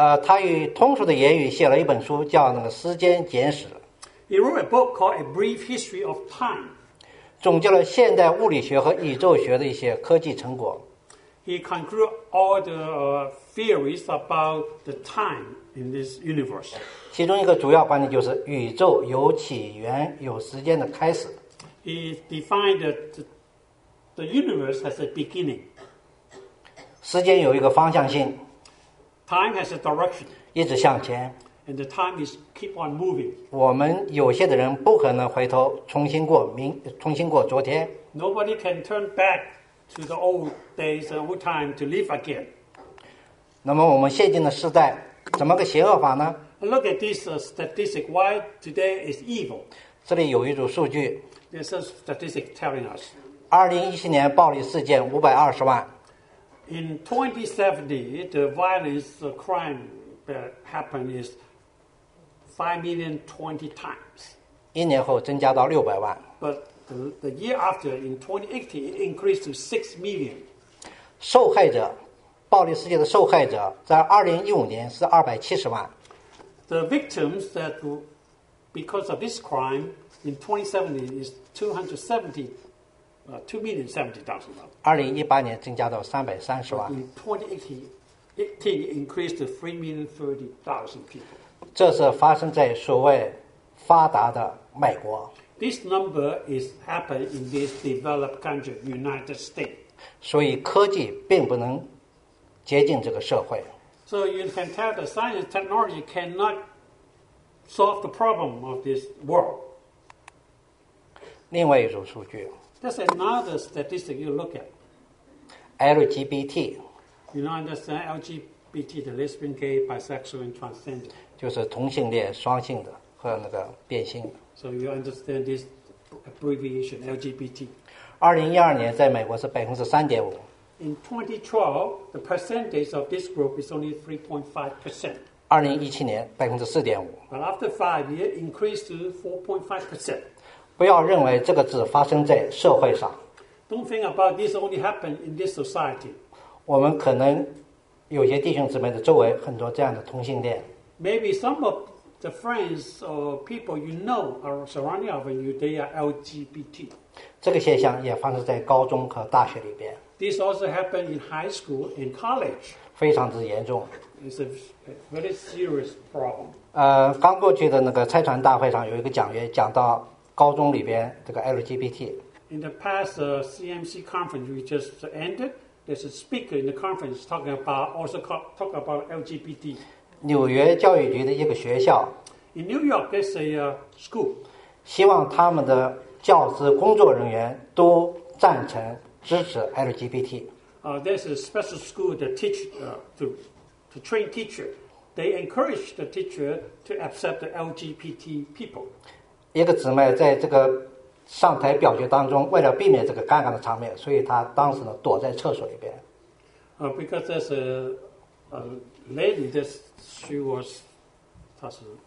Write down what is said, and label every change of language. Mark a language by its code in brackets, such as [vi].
[zh] 他以通俗的言语写了一本书，叫那个《时间简史》。 [en] He wrote a book called A Brief History of Time. [zh] 总结了现代物理学和宇宙学的一些科技成果。 [en] He concluded all the theories about the time in this universe. [zh] 其中一个主要观点就是宇宙有起源，有时间的开始。 [en] He defined the universe as a beginning. [zh] 时间有一个方向性。 [en] Time has a direction. [zh] 一直向前。 [en] And the time is keep on moving. [zh] 我们有些的人不可能回头重新过昨天。 [en] Nobody can turn back to the old days, the old time to live again. [zh] 那么我们现今的时代怎么个邪恶法呢？ [en] Look at this statistic. Why today is evil? [zh] 这里有一组数据。 [en] There's a statistic telling us. [zh] 2017年暴力事件520万。 [en] In 2070, the violence, the crime that happened is 5 million 20 times. [zh] 一年后增加到600万。 [en] But the year after, in 2018, it increased to 6 million. [zh] 受害者，暴力事件的受害者，在2015年是270万。 [en] The victims that because of this crime in 2017 is 2 million 70 thousand. [zh] 2018年增加到330万。 [en] In 2018, it increased to 3 million 30 thousand people. [zh] 这是发生在所谓发达的美国。 [en] This number is happen in this developed country, United States. [zh] 所以科技并不能接近这个社会。 [en] So you can tell the science technology cannot solve the problem of this world. [zh] 另外一组数据。 [en] That's another statistic you look at. LGBT. You know, understand LGBT, the lesbian, gay, bisexual, and transgender. [zh] 就是同性恋、双性的和那个变性的。 [en] So you understand this abbreviation, LGBT. [zh] 2012年在美国是 3.5%。 [en] In 2012, the percentage of this group is only 3.5%. [zh] 2017年 4.5%。 [en] But after 5 years, increased to 4.5%. [zh] 不要认为这个只发生在社会上。 [en] Don't think about this only happened in this society. [zh] 我们可能有些弟兄姊妹的周围很多这样的同性恋。 [en] Maybe some of the friends or people you know are surrounding of you, they are LGBT. [zh] 这个现象也发生在高中和大学里边。 [en] This also happened in high school and college. [zh] 非常之严重。 [en] It's a very serious problem. [zh] 刚过去的那个拆船大会上有一个讲员讲到高中里边这个 LGBT. [en] In the past CMC conference we just ended, there's a speaker in the conference talking about LGBT. [zh] 纽约教育局的一个学校 [en] ，In New York, there's a school. [zh] 希望他们的教职工作人员都赞成支持 LGBT. [en] There's a special school that teach to train teacher. They encourage the teacher to accept the LGBT people. [zh] 一个姊妹在这个上台表决当中，为了避免这个尴尬的场面，所以她当时呢躲在厕所里边。 [en] Because there's a lady that's She was, [zh] 她是